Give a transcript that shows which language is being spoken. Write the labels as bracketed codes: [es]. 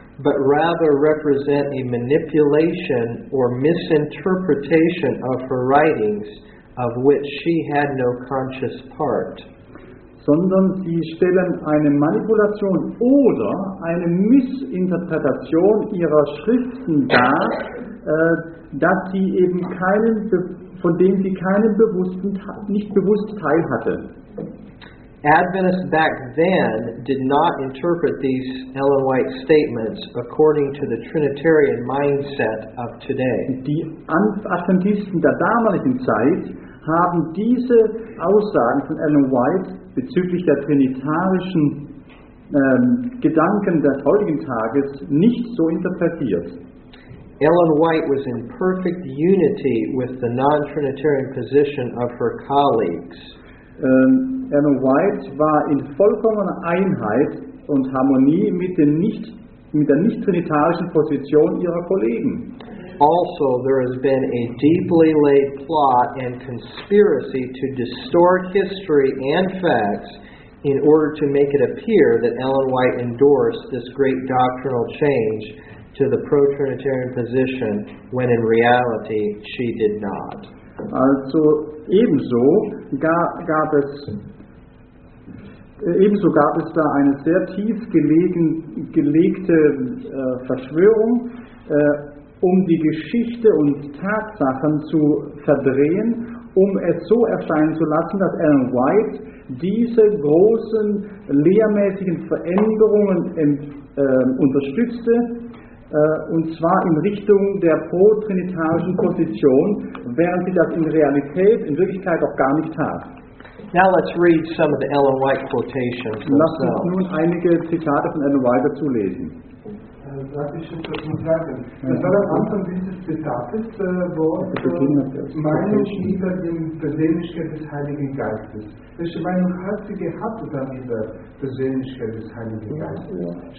[en] but rather represent a manipulation or misinterpretation of her writings of which she had no conscious part. [de] Sondern sie stellen eine Manipulation oder eine Missinterpretation ihrer Schriften dar, dass sie eben keinen von dem sie keinen bewussten, nicht bewusst teil hatte. [en] Adventists back then did not interpret these Ellen White statements according to the Trinitarian mindset of today. [de] Die Adventisten der damaligen Zeit haben diese Aussagen von Ellen White bezüglich der trinitarischen Gedanken des heutigen Tages nicht so interpretiert. [en] Ellen White was in perfect unity with the non-Trinitarian position of her colleagues. [de] Ellen White war in vollkommener Einheit und Harmonie mit der nicht-trinitarischen Position ihrer Kollegen. [en] Also, there has been a deeply laid plot and conspiracy to distort history and facts in order to make it appear that Ellen White endorsed this great doctrinal change to the pro-Trinitarian position, when in reality she did not. [de] Also, ebenso gab es da eine sehr tief gelegte Verschwörung, um die Geschichte und Tatsachen zu verdrehen, um es so erscheinen zu lassen, dass Ellen White diese großen lehrmäßigen Veränderungen unterstützte, und zwar in Richtung der pro-trinitarischen Position, während sie das in Realität, in Wirklichkeit auch gar nicht tat. [en] Now let's read some of the Ellen White quotations. [de] Lass uns nun einige Zitate von Ellen White dazu lesen. Das ist schon das Interessante. Das war am Anfang dieses Zitates, wo meine Schieder in Persönlichkeit des Heiligen Geistes. Welche Meinung hat sie gehabt dann in der Persönlichkeit des Heiligen Geistes?